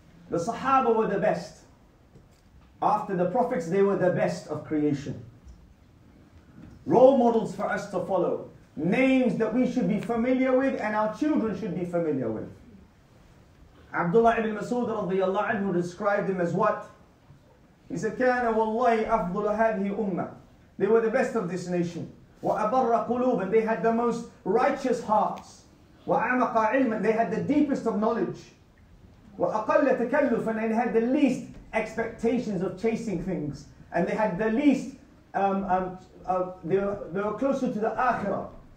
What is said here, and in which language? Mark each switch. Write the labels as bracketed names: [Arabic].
[English] The Sahaba were the best. After the Prophets, they were the best of creation. Role models for us to follow. Names that we should be familiar with and our children should be familiar with. Abdullah ibn Mas'ud radiyallahu anhu described him as what? He said, [Arabic] كَانَ وَاللَّهِ أَفْضُلُ هَذِهِ أُمَّةً. [English] They were the best of this nation. [Arabic] وَأَبَرَّ قُلُوبًا. [English] They had the most righteous hearts. [Arabic] وَأَعْمَقَ عِلْمًا. [English] They had the deepest of knowledge. [Arabic] وَأَقَلَّ تَكَلُّفًا. [English] And they had the least expectations of chasing things. And they had the least, they were closer to the Akhirah.